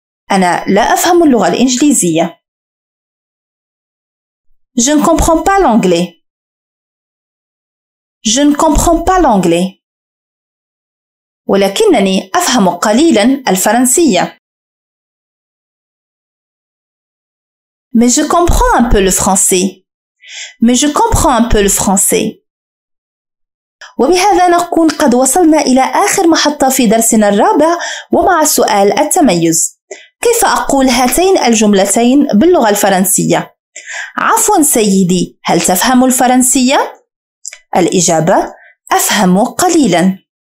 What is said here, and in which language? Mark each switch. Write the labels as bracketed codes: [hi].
[ar] أنا لا أفهم اللغة الإنجليزية. [fr] Je ne comprends pas l'anglais. Je ne comprends pas l'anglais. [ar] ولكنني أفهم قليلا الفرنسية. [fr] Mais je comprends un peu le français. Mais je comprends un peu le français. [ar] وبهذا نكون قد وصلنا إلى آخر محطة في درسنا الرابع ومع سؤال التميز. كيف أقول هاتين الجملتين باللغة الفرنسية؟ عفوا سيدي، هل تفهم الفرنسية؟ الإجابة أفهم قليلا.